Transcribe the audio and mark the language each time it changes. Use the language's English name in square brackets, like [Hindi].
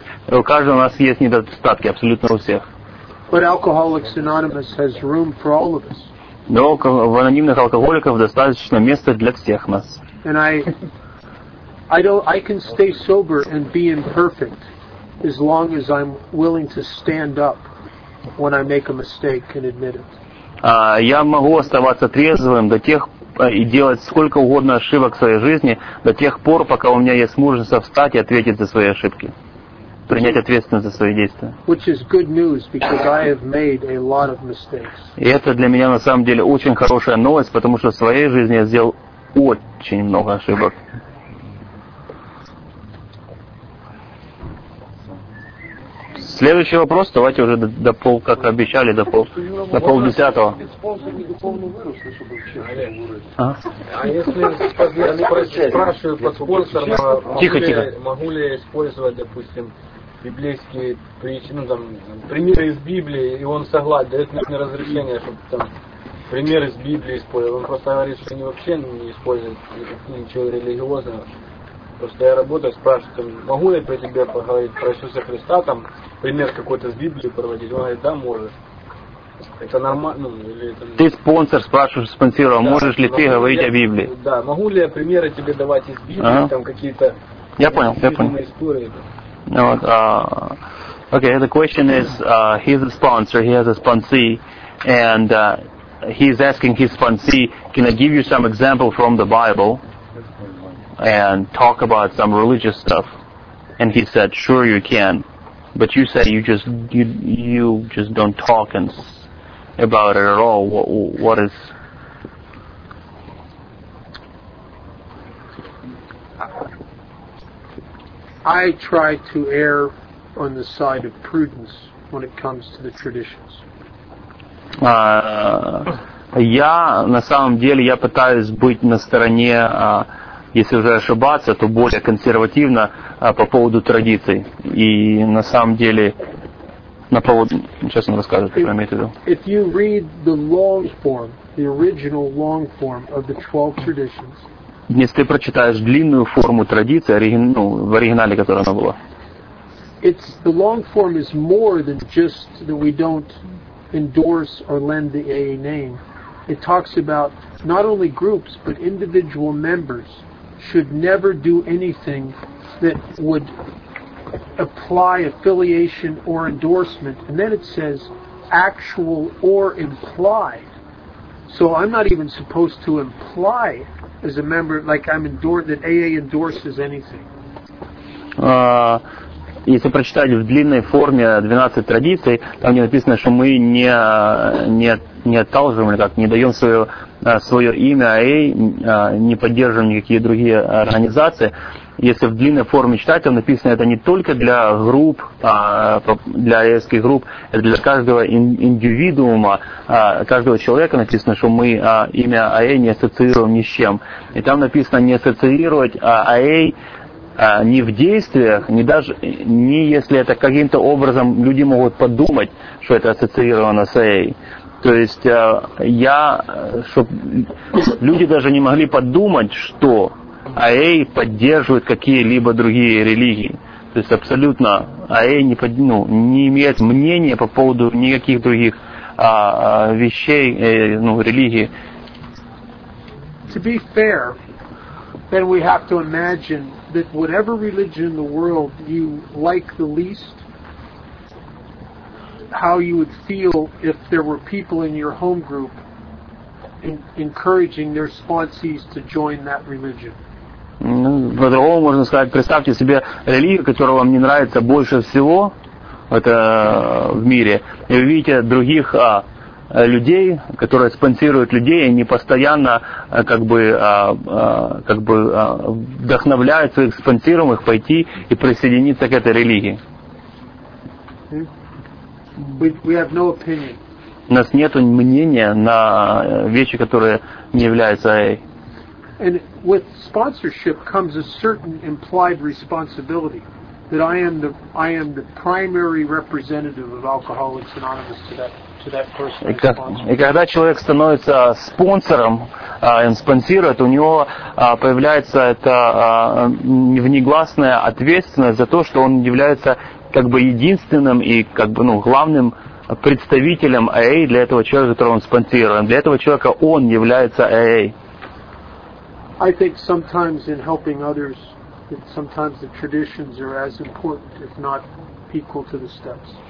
[Russian] У каждого у нас есть недостатки, абсолютно у всех. [English] But Alcoholics Anonymous has room for all of us. [Russian] Но в анонимных алкоголиков достаточно места для всех нас. [English] And I can stay sober and be imperfect as long as I'm willing to stand up when I make a mistake and admit it. [Russian] Я могу оставаться трезвым до тех и делать сколько угодно ошибок в своей жизни до тех пор, пока у меня есть мужество встать и ответить за свои ошибки. Принять ответственность за свои действия. [English] Which is good news, because I have made a lot of mistakes. [Russian] И это для меня на самом деле очень хорошая новость, потому что в своей жизни я сделал очень много ошибок. Следующий вопрос, давайте уже до пол, как обещали, до полдесятого. Спонсор не духовно вырос, чтобы тихо. Могу ли я использовать, допустим, библейские притчи, ну там примеры из Библии, и он согласен, дает мне разрешение, чтобы там пример из Библии использовал. Он просто говорит, что они вообще не используют ничего религиозного. Просто я работаю, спрашиваю, могу я про тебя поговорить, про Иисуса Христа, там, пример какой-то из Библии проводить? Он говорит, да, можешь. Это нормально? Ну, или это... Ты спонсор, спрашиваешь, спонсировал, да, можешь ли ты говорить о Библии? Да, могу ли я примеры тебе давать из Библии, ага. Там какие-то... Я понял. Истории, [English] no, okay, the question is, he's a sponsor, he has a sponsee, and he's asking his sponsee, can I give you some example from the Bible? And talk about some religious stuff, and he said, "Sure, you can," but you said you just don't talk and about it at all. What is? I try to err on the side of prudence when it comes to the traditions. [Russian] Я на самом деле я пытаюсь быть на стороне. Если уже ошибаться, то более консервативно по поводу традиций. И на самом деле, на поводу... Сейчас он расскажет, что я имею в виду. [English] If you read the long form, the original long form of the 12 traditions... [Russian] Если ты прочитаешь длинную форму традиции, ну, в оригинале, которая она была... [English] It's, the long form is more than just that we don't endorse or lend the AA name. It talks about not only groups, but individual members... should never do anything that would apply affiliation or endorsement. And then it says actual or implied. So I'm not even supposed to imply as a member, like I'm endorsed, that AA endorses anything. [Russian] Если прочитать в длинной форме 12 традиций, там не написано, что мы не отталкиваем или как, не даем свое имя АА, не поддерживаем никакие другие организации. Если в длинной форме читать, там написано, это не только для групп, для АА-ских групп, это для каждого индивидуума, каждого человека написано, что мы имя АА не ассоциируем ни с чем. И там написано не ассоциировать АА ни в действиях, ни даже, ни если это каким-то образом люди могут подумать, что это ассоциировано с АА. То есть я, чтобы люди даже не могли подумать, что АА поддерживает какие-либо другие религии. То есть абсолютно АА не имеет мнения по поводу никаких других вещей, ну, религии. [English] To be fair, then we have to imagine that whatever religion in the world you like the least, how you would feel if there were people in your home group encouraging their sponsees to join that religion. [Russian] По-другому можно сказать, представьте себе религию, которая вам не нравится больше всего это в мире, и вы видите других людей, которые спонсируют людей, они постоянно вдохновляют своих спонсируемых пойти и присоединиться к этой религии. [English] We have no opinion. [Russian] У нас нет мнения на вещи, которые не являются AA. [English] And with sponsorship comes a certain implied responsibility that I am the primary representative of Alcoholics Anonymous to that person. [Russian] И когда человек становится спонсором, он спонсирует, у него появляется это внегласная ответственность за то, что он является как бы единственным и как бы, ну, главным представителем АА для этого человека, которого он спонсирует. Для этого человека он является АА. [English] I think sometimes in helping others, that sometimes the traditions are as important, if not equal to the steps.